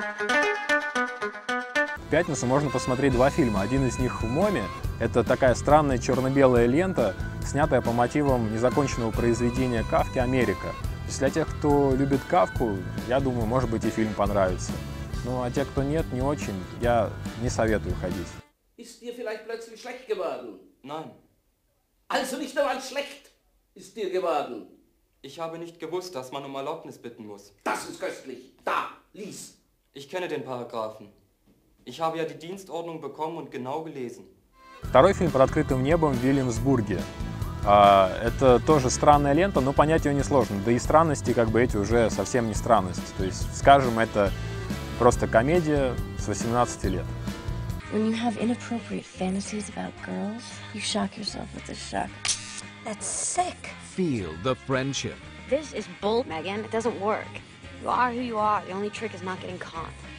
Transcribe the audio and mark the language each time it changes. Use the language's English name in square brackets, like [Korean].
[Russian] В пятницу можно посмотреть два фильма. Один из них в «Моме». Это такая странная черно-белая лента, снятая по мотивам незаконченного произведения Кафки «Америка». То есть для тех, кто любит Кафку, я думаю, может быть, и фильм понравится. Ну, а те, кто нет, не очень, я не советую ходить. [German] Ist dir vielleicht plötzlich schlecht geworden? Nein. Also nicht einmal schlecht ist dir geworden? Ich habe nicht gewusst, dass man um Erlaubnis bitten muss. Das ist köstlich. Da, lies. Ich kenne den Paragraphen. Ich habe ja die Dienstordnung bekommen und genau gelesen. [Russian] Второй фильм «Под открытым небом» в Вильямсбурге. Это тоже странная лента, но понять ее несложно. Да и странности, как бы, эти уже совсем не странности. То есть, скажем, это просто комедия с 18 лет. [English] When you have inappropriate fantasies about girls, you shock yourself with a shock. That's sick. Feel the friendship. This is bull, Megan. It doesn't work. You are who you are. The only trick is not getting caught.